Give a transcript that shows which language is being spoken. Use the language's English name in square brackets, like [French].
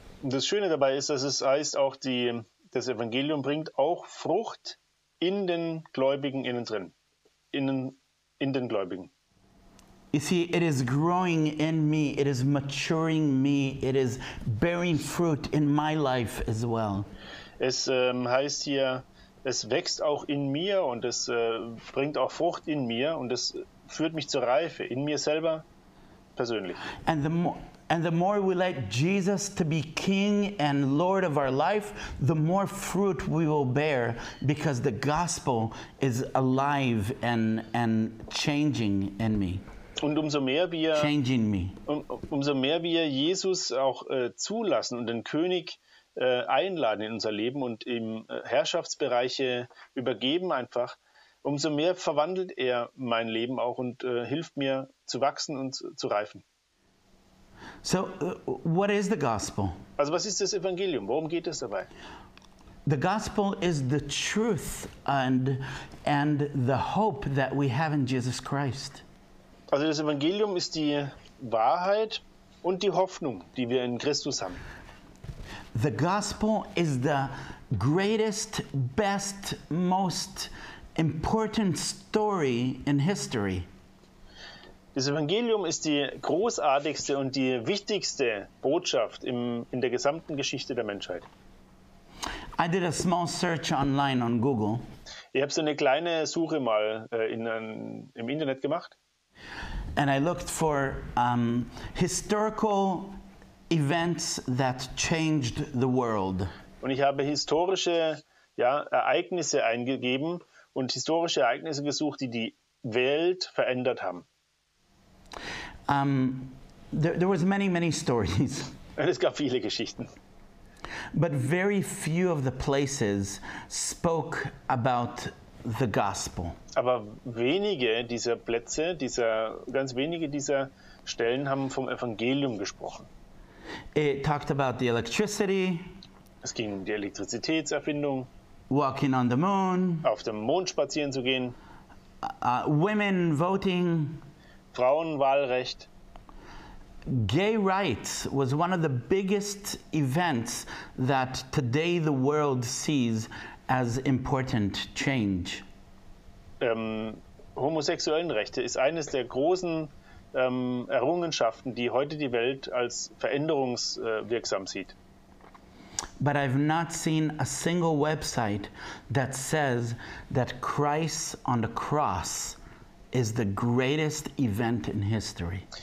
[German] Das Schöne dabei ist, dass es heißt, auch das Evangelium bringt auch Frucht in den Gläubigen innen drin, in den Gläubigen. [English] You see, it is growing in me, it is maturing me, it is bearing fruit in my life as well. [German] Es heißt hier, es wächst auch in mir und es bringt auch Frucht in mir und es führt mich zur Reife in mir selber persönlich. [English] And the more we let Jesus to be King and Lord of our life, the more fruit we will bear because the gospel is alive and changing in me. [German] Und umso mehr wir [English] changing me. [German] Umso mehr wir Jesus auch zulassen und den König einladen in unser Leben und ihm Herrschaftsbereiche übergeben einfach, umso mehr verwandelt er mein Leben auch und hilft mir zu wachsen und zu reifen. [English] So, what is the gospel? [German] Also, was ist das Evangelium? Worum geht es dabei? [English] The gospel is the truth and the hope that we have in Jesus Christ. [German] Also, das Evangelium ist die Wahrheit und die Hoffnung, die wir in Christus haben. [English] The gospel is the greatest, best, most important story in history. [German] Das Evangelium ist die großartigste und die wichtigste Botschaft in der gesamten Geschichte der Menschheit. [English] I did a small search online on Google. [German] Ich habe so eine kleine Suche mal im Internet gemacht. [English] And I looked for historical events that changed the world. [German] Und ich habe historische Ereignisse eingegeben und historische Ereignisse gesucht, die Welt verändert haben. [English] There was many, many stories. [German] Es gab viele Geschichten. [English] But very few of the places spoke about the gospel. [German] Aber wenige dieser Plätze, ganz wenige dieser Stellen haben vom Evangelium gesprochen. [English] It talked about the electricity. [German] Es ging um die Elektrizitätserfindung. [English] Walking on the moon. [German] Auf dem Mond spazieren zu gehen. [English] Women voting. [German] Frauenwahlrecht. [English] Gay rights was one of the biggest events that today the world sees as important change. [German] Homosexuellenrechte ist eines der großen Errungenschaften, die heute die Welt als veränderungswirksam sieht. [English] But I've not seen a single website that says that Christ on the cross is the greatest event in history.